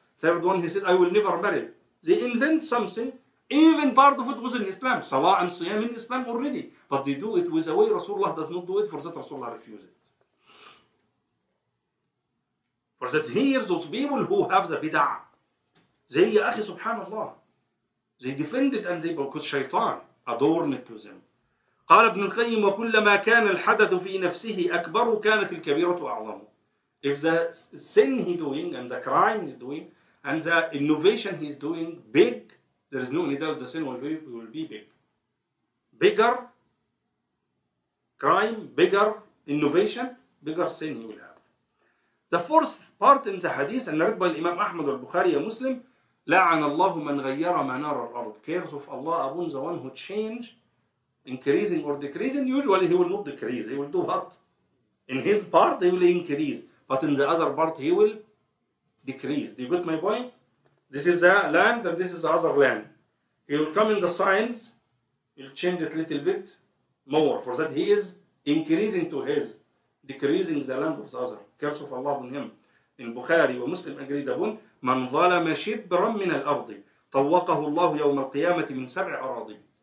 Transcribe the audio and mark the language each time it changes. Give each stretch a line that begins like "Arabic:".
English: Third one, he said, I will never marry. They invent something, even part of it was in Islam, salah and siyam in Islam already, but they do it with a way Rasulullah does not do it, for that Rasulullah refuses. For that, here those people who have the bid'ah, they, ya akhi, subhanallah, they defend it and they, because shaitan adorned it to them.
Arabic: قال ابن القيم وكلما كان الحدث في نفسه أكبر كانت الكبيرة أعظم.
English: If the sin he doing and the crime he's doing and the innovation he's doing big, there is no any doubt the sin will be big. Bigger crime, bigger innovation, bigger sin he will have. The fourth part in the hadith and narrated by Imam Ahmad al-Bukhari and Muslim, لعن الله من غير منار الأرض. Cares of Allah upon the one who change, increasing or decreasing. Usually he will not decrease, he will do what? In his part he will increase, but in the other part he will decrease. Do you get my point? This is the land and this is the other land. He will come in the signs, he'll change it a little bit more. For that, he is increasing to his, decreasing the land of the other. Curse of Allah on him.
Arabic: In Bukhari wa Muslim agreed upon, من ظلم شبرا من الأرض طوقه الله يوم القيامة من سبع أراضي.